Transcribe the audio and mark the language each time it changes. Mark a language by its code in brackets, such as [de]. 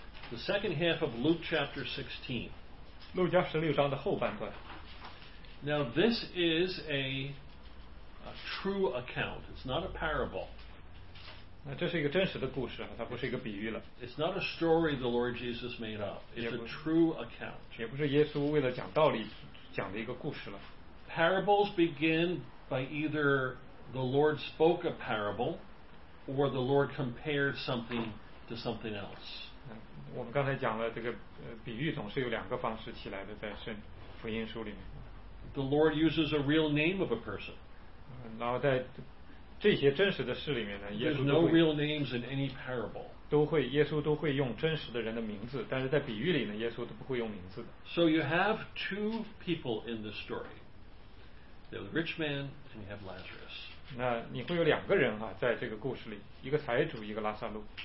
[en] The second half of Luke chapter 16. [zh] 路加十六章的后半段。 [en] Now this is a true account. It's not a parable. [zh] 那这是一个真实的故事，它不是一个比喻了。 [en] It's not a story the Lord Jesus made up. It's a true account. [zh] 也不是耶稣为了讲道理讲的一个故事了。 [en] Parables begin by either the Lord spoke a parable, or the Lord compared something to something else. [zh] 我们刚才讲了这个比喻总是有两个方式起来的，在圣福音书里面。 [en] The Lord uses a real name of a person. [zh] 然后在这些真实的事里面呢，耶稣都会 [en] There's no real names in any parable. [zh] 都会耶稣都会用真实的人的名字，但是在比喻里呢，耶稣都不会用名字的。 [en] So you have two people in the story. There's the rich man and you have Lazarus. [zh] 那你会有两个人啊，在这个故事里，一个财主，一个拉撒路。